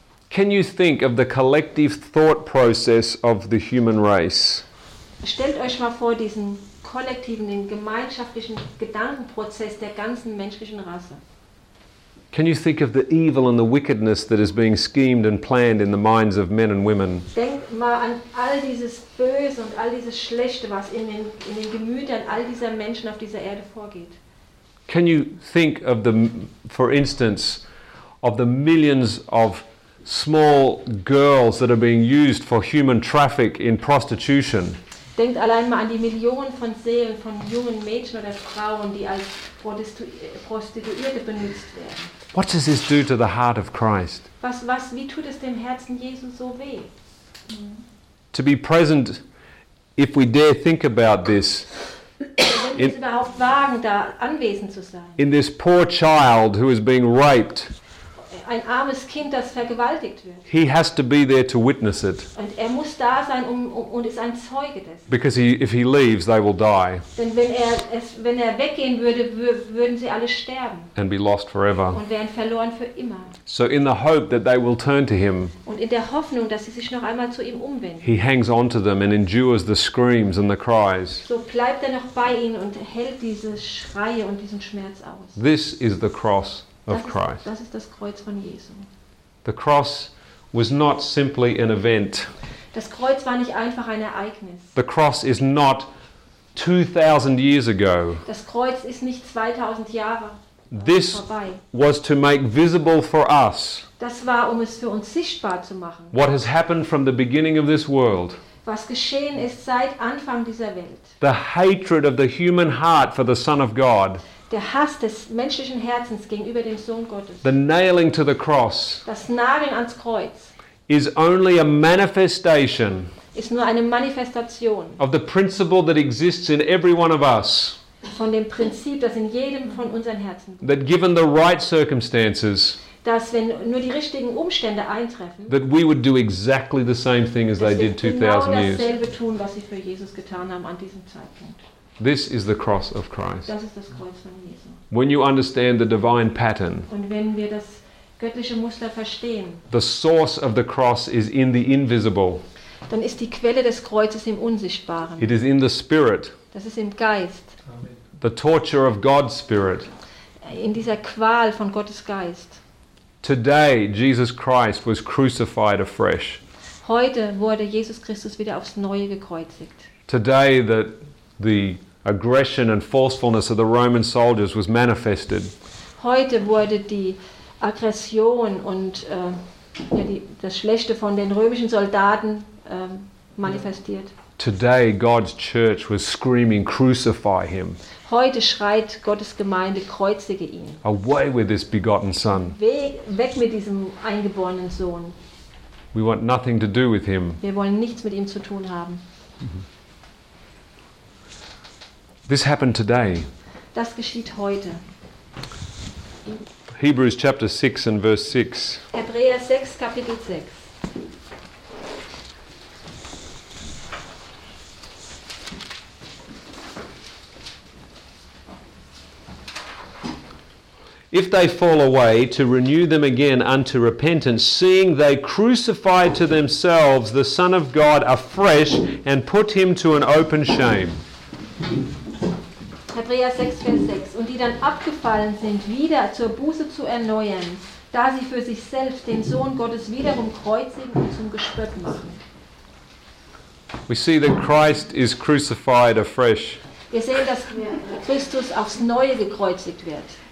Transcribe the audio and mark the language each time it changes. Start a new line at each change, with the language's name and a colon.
English: Can you think of the collective thought process of the human race?
German: Stellt euch mal vor diesen kollektiven, den gemeinschaftlichen Gedankenprozess der ganzen menschlichen Rasse.
English: Can you think of the evil and the wickedness that is being schemed and planned in the minds of men and women?
German: Denkt mal an all dieses Böse und all dieses Schlechte, was in den Gemütern all dieser Menschen auf dieser Erde vorgeht.
English: Can you think of the, for instance, of the millions of small girls that are being used for human traffic in prostitution?
German: Denkt allein mal an die Millionen von Seelen von jungen Mädchen oder Frauen, die als Prostituierte benutzt werden.
English: What does this do to the heart of Christ?
German: Was wie tut es dem Herzen Jesu so weh?
English: To be present, if we dare think about this.
German: Wenn wir es überhaupt wagen, da anwesend zu sein.
English: In this poor child who is being raped.
German: Ein armes Kind, das vergewaltigt wird.
English: He has to be there to witness it.
German: Und er muss da sein und ist ein Zeuge dessen.
English: Because if he leaves, they will die.
German: Denn wenn er weggehen würde, würden sie alle sterben.
English: And be lost forever.
German: Und wären verloren für immer.
English: So in the hope that they will turn to him.
German: Und in der Hoffnung, dass sie sich noch einmal zu ihm umwenden.
English: He hangs on to them and endures the screams and the cries.
German: So bleibt er noch bei ihnen und hält diese Schreie und diesen Schmerz aus.
English: This is the cross. Of Christ.
German: Das ist das Kreuz von Jesu.
English: The cross was not simply an event.
German: Das Kreuz war nicht einfach ein Ereignis.
English: The cross is not 2000 years ago.
German: Das Kreuz ist nicht 2000 Jahre.
English: This was to make visible for us.
German: Das war, um es für uns sichtbar zu machen.
English: What has happened from the beginning of this world?
German: Was geschehen ist seit Anfang dieser Welt.
English: The hatred of the human heart for the Son of God.
German: Der Hass des menschlichen Herzens gegenüber dem Sohn Gottes.
English: The nailing to the cross.
German: Das Nageln ans Kreuz.
English: Is only a manifestation.
German: Ist nur eine Manifestation.
English: Of the principle that exists in every one of us.
German: Von dem Prinzip, das in jedem von unseren Herzen.
English: That given the right circumstances.
German: Dass wenn nur die richtigen Umstände eintreffen.
English: That we would do exactly the same thing as they did 2000 years.
German: Dass wir genau dasselbe tun, was sie für Jesus getan haben an diesem Zeitpunkt.
English: This is the cross of Christ.
German: Das ist das Kreuz von Jesus.
English: When you understand the divine pattern.
German: Und wenn wir das göttliche Muster verstehen.
English: The source of the cross is in the invisible.
German: Dann ist die Quelle des Kreuzes im Unsichtbaren.
English: It is in the spirit.
German: Das ist im Geist.
English: Amen. The torture of God's spirit.
German: In dieser Qual von Gottes Geist.
English: Today Jesus Christ was crucified afresh.
German: Heute wurde Jesus Christus wieder aufs Neue gekreuzigt.
English: Today the aggression and forcefulness of the Roman soldiers was manifested.
German: Heute wurde die Aggression und das Schlechte von den römischen Soldaten manifestiert.
English: Today God's church was screaming, crucify him.
German: Heute schreit Gottes Gemeinde, kreuzige ihn.
English: Away with this begotten son.
German: Weg mit diesem eingeborenen Sohn.
English: We want nothing to do with him.
German: Wir wollen nichts mit ihm zu tun haben.
English: This happened today.
German: Das geschieht heute.
English: Hebrews chapter 6 and verse 6.
German: Hebräer 6, Kapitel 6.
English: If they fall away, to renew them again unto repentance, seeing they crucify to themselves the Son of God afresh and put him to an open shame.
German: Hebräer 6, Vers 6. Und die dann abgefallen sind, wieder zur Buße zu erneuern, da sie für sich selbst den Sohn Gottes wiederum kreuzigen und zum Gespött machen.
English: We see that Christ is crucified afresh.
German: Wir sehen, dass Christus aufs Neue gekreuzigt wird.